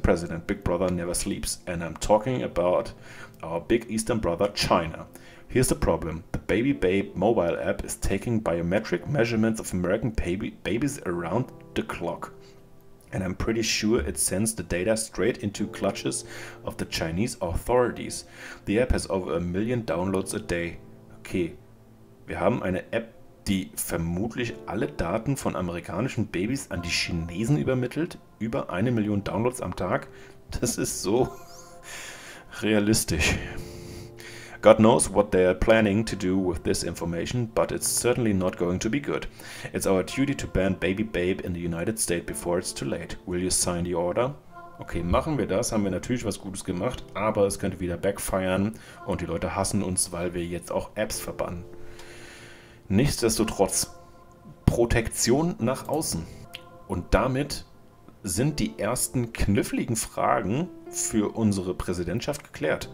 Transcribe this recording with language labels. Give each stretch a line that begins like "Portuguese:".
English: President, Big Brother never sleeps, and I'm talking about our big Eastern brother, China. Here's the problem. The Baby Babe mobile app is taking biometric measurements of American babies around the clock. And I'm pretty sure it sends the data straight into clutches of the Chinese authorities. The app has over 1 million downloads a day.
German: Okay, wir haben eine App, die vermutlich alle Daten von amerikanischen Babys an die Chinesen übermittelt. Über 1 Million Downloads am Tag. Das ist so realistisch.
English: God knows what they are planning to do with this information, but it's certainly not going to be good. It's our duty to ban Baby Babe in the United States before it's too late. Will you sign the order?
German: Okay, machen wir das, haben wir natürlich was Gutes gemacht, aber es könnte wieder backfiren und die Leute hassen uns, weil wir jetzt auch Apps verbannen. Nichtsdestotrotz, Protektion nach außen. Und damit sind die ersten kniffligen Fragen für unsere Präsidentschaft geklärt.